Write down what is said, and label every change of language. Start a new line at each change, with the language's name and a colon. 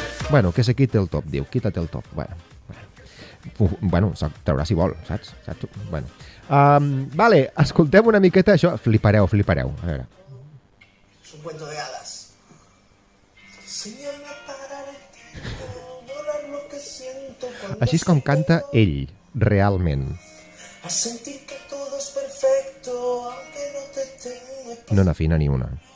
Spanish: Bueno, que se quite el top, diu. Quítate el top. Bueno,
Catalan: se'l traurà si vol, saps?
Spanish: Bueno.
Catalan: Vale, escoltem una miqueta això. Flipareu. A veure. És un
Spanish: cuento de hadas. Enséñame a parar el tiempo, borrar lo que siento.
Catalan: Així és com canta ell, realment.
Spanish: A sentir que todo es perfecto, aunque no te tengo...
Catalan: No n'afina ni una.